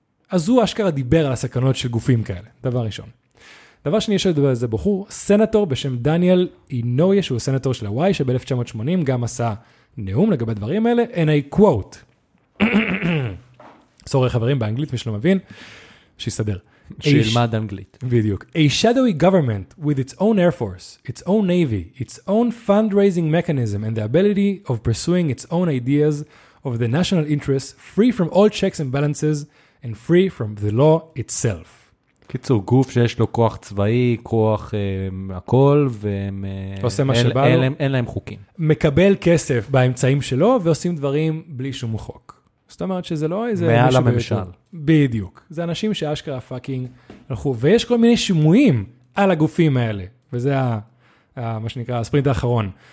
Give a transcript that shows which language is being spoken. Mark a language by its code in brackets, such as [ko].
[he] אז הוא אשכרה דיבר על הסכנות של גופים כאלה. דבר ראשון. דבר שני, יש לדבר על זה בחור, סנטור בשם דניאל אינויה, שהוא סנטור של הוואי, שב-1980 גם עשה נאום לגבי הדברים האלה. [en] And I quote. [he] סורי חברים באנגלית, מי שלא מבין, שיסדר. שילמד אנגלית. בדיוק. [en] A shadowy government with its own air force, its own navy, its own fundraising mechanism and the ability of pursuing its own ideas of the national interest free from all checks and balances and free from the law itself. [he] קיצור, גוף שיש לו כוח צבאי, כוח הכל, והם עושה מה שבא לו. אין להם חוקים. מקבל כסף באמצעים שלו, ועושים דברים בלי שום חוק. זאת אומרת שזה לא איזה... מעל הממשל. בדיוק. זה אנשים שאשכרה פאקינג הלכו, ויש כל מיני שימועים על הגופים האלה, וזה מה שנקרא הספרינט האחרון.